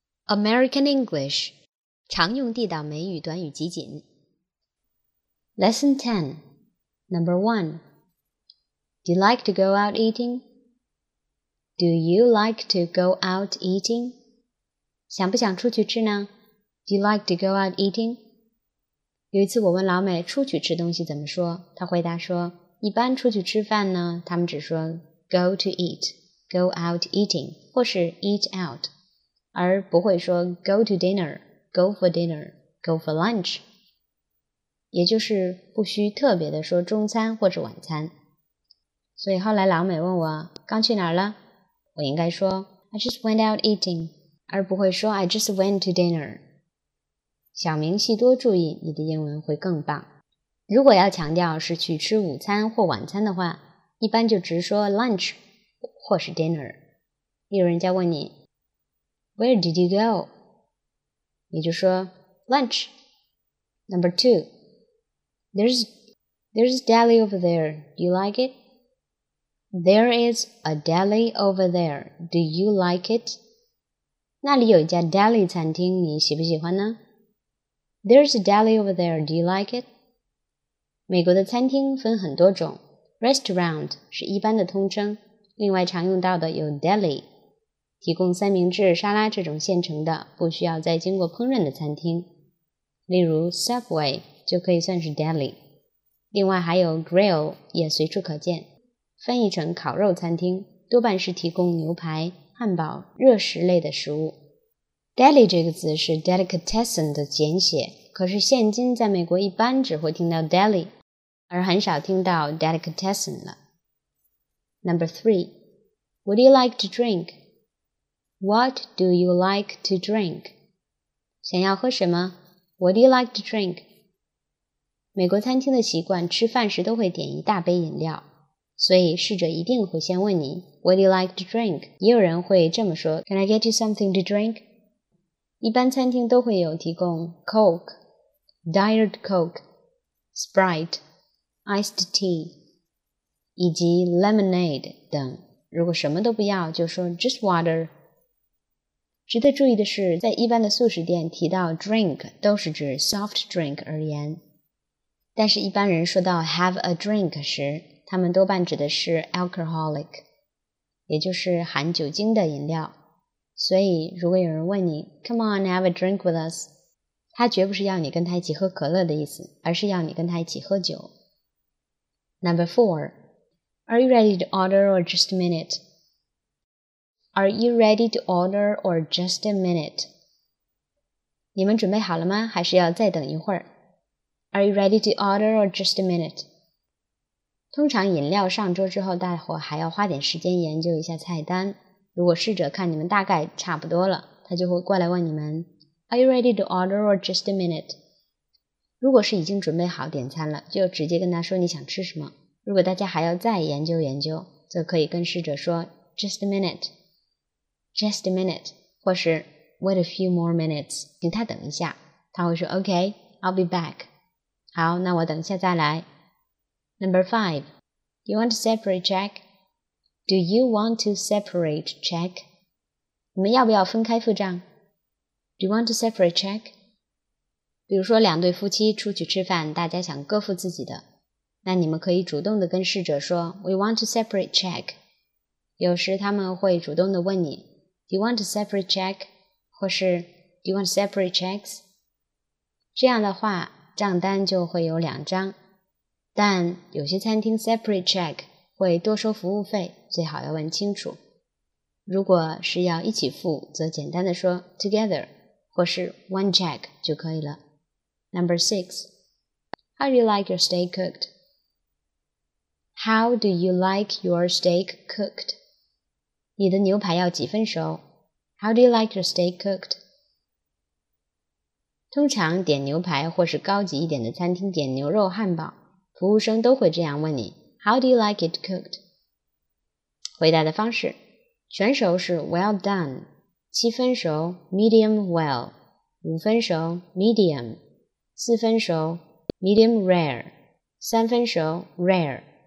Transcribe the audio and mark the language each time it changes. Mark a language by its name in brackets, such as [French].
[English] American English [Chinese] 常用地道美语短语集锦 [English] Lesson 10 Number 1 Do you like to go out eating? Do you like to go out eating? [Chinese] 想不想出去吃呢? [English] Do you like to go out eating? [Chinese] 有一次我问老美出去吃东西怎么说他回答说一般出去吃饭呢他们只说 [English] Go to eat Go out eating [Chinese] 或是 [English] eat out [Chinese] 而不会说 [English] go to dinner, go for dinner, go for lunch, [Chinese] 也就是不需特别的说中餐或者晚餐。所以后来老美问我刚去哪儿了我应该说 [English] I just went out eating, [Chinese] 而不会说 [English] I just went to dinner。 [Chinese] 小明细多注意你的英文会更棒。如果要强调是去吃午餐或晚餐的话一般就直说 lunch 或是 dinner。例如人家问你 [English] Where did you go? [Chinese] 你就说 lunch. [English] Number two, there's a deli over there. Do you like it? There is a deli over there. Do you like it? [Chinese] 那里有一家 deli 餐厅，你喜不喜欢呢？ [English] There's a deli over there. Do you like it? [Chinese] 美国的餐厅分很多种 ，restaurant 是一般的通称，另外常用到的有 deli。提供三明治、沙拉这种现成的、不需要再经过烹饪的餐厅，例如 Subway 就可以算是 deli。另外还有 grill 也随处可见，翻译成烤肉餐厅，多半是提供牛排、汉堡、热食类的食物。 deli 这个字是 delicatessen 的简写，可是现今在美国一般只会听到 deli， 而很少听到 delicatessen 了。 [English] Number three, would you like to drink? What do you like to drink? [Chinese] 想要喝什么? [English] What do you like to drink? [Chinese] 美国餐厅的习惯吃饭时都会点一大杯饮料所以侍者一定会先问你 [English] What do you like to drink? [Chinese] 也有人会这么说 [English] Can I get you something to drink? [Chinese] 一般餐厅都会有提供 Coke, Diet Coke, Sprite, Iced Tea, 以及 Lemonade 等如果什么都不要就说 [English] Just water, [Chinese] 值得注意的是在一般的速食店提到 drink 都是指 soft drink 而言但是一般人说到 have a drink 时他们多半指的是 alcoholic 也就是含酒精的饮料所以如果有人问你 [English] come on have a drink with us [Chinese] 他绝不是要你跟他一起喝可乐的意思而是要你跟他一起喝酒 [English] Number 4 Are you ready to order or just a minute? Are you ready to order or just a minute? [Chinese] 你们准备好了吗？还是要再等一会儿？ [English] Are you ready to order or just a minute? [Chinese] 通常饮料上桌之后，大伙还要花点时间研究一下菜单。如果侍者看你们大概差不多了，他就会过来问你们 [English] Are you ready to order or just a minute? [Chinese] 如果是已经准备好点餐了，就直接跟他说你想吃什么。如果大家还要再研究研究，则可以跟侍者说 [English] Just a minute. Just a minute, [Chinese] 或是 [English] wait a few more minutes, [Chinese] 请他等一下。他会说 [English] OK, I'll be back. [Chinese] 好，那我等一下再来。 [English] Number 5, do you want to separate check? Do you want to separate check? [Chinese] 你们要不要分开付账? [English] Do you want to separate check? [Chinese] 比如说两对夫妻出去吃饭，大家想各付自己的，那你们可以主动的跟侍者说 [English] we want to separate check. [Chinese] 有时他们会主动的问你 [English] Do you want a separate check? [Chinese] 或是 [English] Do you want separate checks? [Chinese] 这样的话账单就会有两张但有些餐厅 separate check 会多收服务费最好要问清楚如果是要一起付则简单的说 together 或是 one check 就可以了 [English] Number 6 How do you like your steak cooked? How do you like your steak cooked? [Chinese] 你的牛排要几分熟? [English] How do you like your steak cooked? [Chinese] 通常点牛排或是高级一点的餐厅点牛肉汉堡,服务生都会这样问你 [English] How do you like it cooked? [Chinese] 回答的方式,全熟是 well done, 七分熟 medium well, 五分熟 medium, 四分熟 medium rare, 三分熟 rare.